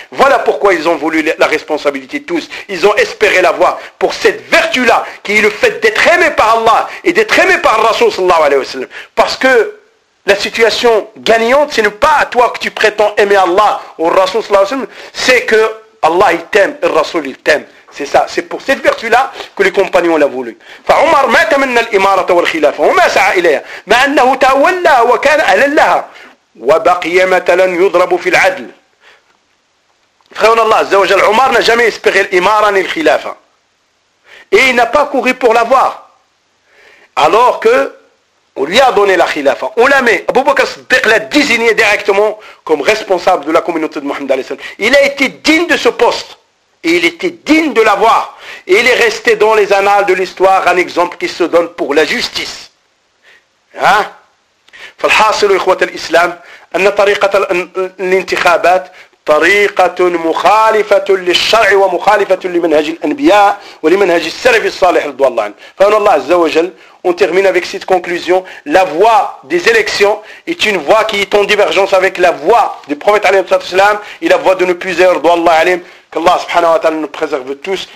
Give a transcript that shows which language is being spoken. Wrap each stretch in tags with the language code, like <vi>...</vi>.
<fr>Voilà pourquoi ils ont voulu la responsabilité tous. Ils ont espéré l'avoir pour cette vertu-là, qui est le fait d'être aimé par Allah et d'être aimé par Rasoul Allah, alayhi wa sallam. Parce que la situation gagnante, ce n'est pas à toi que tu prétends aimer Allah ou Rasoul Allah, alayhi wa sallam, c'est que Allah il t'aime et Rasoul il t'aime. C'est ça, c'est pour cette vertu-là que les compagnons l'ont voulu.</fr> <ar>فعمر ما تمنى الإمارة والخلافة وما سعى إليها مع أنه تولى وكان أهلا لها وبقي مثلا يضرب في العدل. فخيرنا الله عز وجل عمر</ar> <fr>n'a jamais espéré</fr> <ar>الإمارة ni الخلافة.</ar> <fr>Et il n'a pas couru pour l'avoir. Alors que On lui a donné la khilafa. On l'a mis. Abou Bakr Siddiq l'a désigné directement comme responsable de la communauté de Mohammed. Il a été digne de ce poste. Et il était digne de l'avoir. Et il est resté dans les annales de l'histoire un exemple qui se donne pour la justice. Hein?</fr> <ar>فالحاصل إخوة الإسلام أن طريقة الانتخابات طريقة مخالفة للشرع ومخالفة لمنهج الأنبياء ولمنهج السلف الصالح رضي الله عنه. فإن الله عز وجل</ar> <fr>on termine avec cette conclusion. La voie des élections est une voie qui est en divergence avec la voie du prophète</fr> <ar>عليه الصلاة والسلام</ar> <fr>et la voie de nos puiseurs</fr> <ar>رضي الله عليهم.</ar> <fr>Qu'Allah subhanahu wa ta'ala nous préserve tous.</fr>